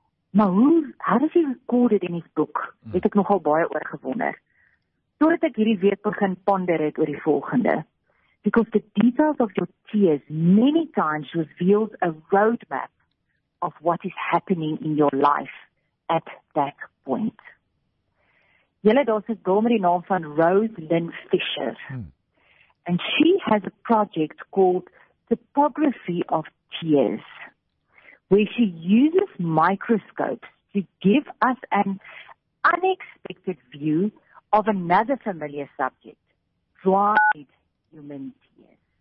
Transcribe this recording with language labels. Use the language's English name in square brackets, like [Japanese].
[Afrikaans] Maar hoe is die rekorde in die boek? Het ek nogal baie oor gewonder. Totdat ek hierdie week begin ponder het oor die volgende. [English] Because the details of your tears many times reveals a roadmap of what is happening in your life at that point. [Afrikaans] Julle daar's 'n dame met die naam van Rose Lynn Fisher. [English] And she has a project called Topography of Tears, where she uses microscopes to give us an unexpected view of another familiar subject, dried human tears.